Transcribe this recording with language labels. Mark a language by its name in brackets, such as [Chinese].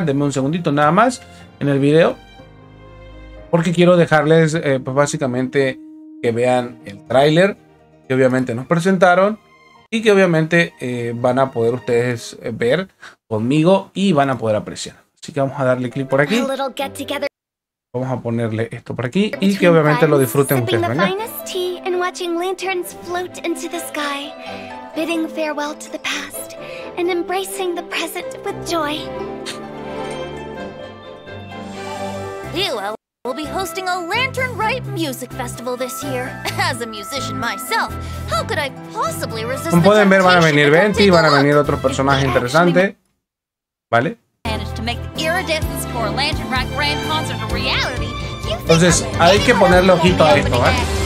[Spanish] Denme un segundito nada más en el video. Porque quiero dejarles pues básicamente que vean el tráiler que obviamente nos presentaron. Y que obviamente van a poder ustedes ver conmigo y van a poder apreciar. Así que vamos a darle clic por aquí. Vamos a ponerle esto por aquí y que obviamente lo disfruten ustedes. [English] Bidding farewell to the past and embracing the present with joy. Liyue will be hosting a Lantern Right Music Festival this year. As a musician myself, how could I possibly resist? [Spanish] Como pueden ver, van a venir Venti y van a venir otros personajes interesantes, ¿vale? Entonces, hay que ponerle ojito a esto, ¿vale?